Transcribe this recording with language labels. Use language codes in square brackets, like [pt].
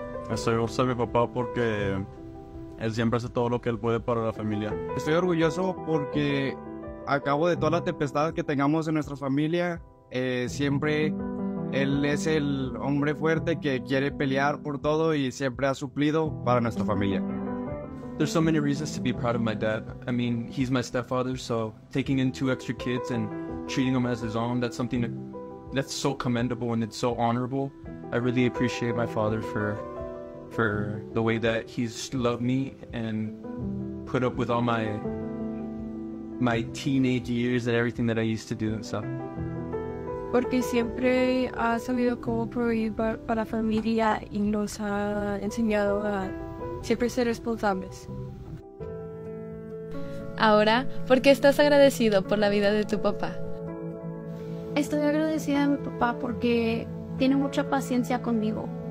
[es] Estoy orgulloso de mi papá porque él siempre hace todo lo que él puede para la familia. Estoy orgulloso porque a cabo de toda la tempestad que tengamos en nuestra familia, siempre él es el hombre fuerte que quiere pelear por todo y siempre ha suplido para nuestra familia. [en] There's so many reasons to be proud of my dad. I mean, he's my stepfather, so taking in two extra kids and treating them as his own, that's something that's so commendable and it's so honorable. I really appreciate my father for the way that he's loved me and put up with all my teenage years and everything that I used to do and stuff. [es] Porque siempre ha sabido cómo proveer para la familia y nos ha enseñado a siempre ser responsables. Ahora, ¿por qué estás agradecido por la vida de tu papá? Estoy agradecida a mi papá porque tiene mucha paciencia conmigo.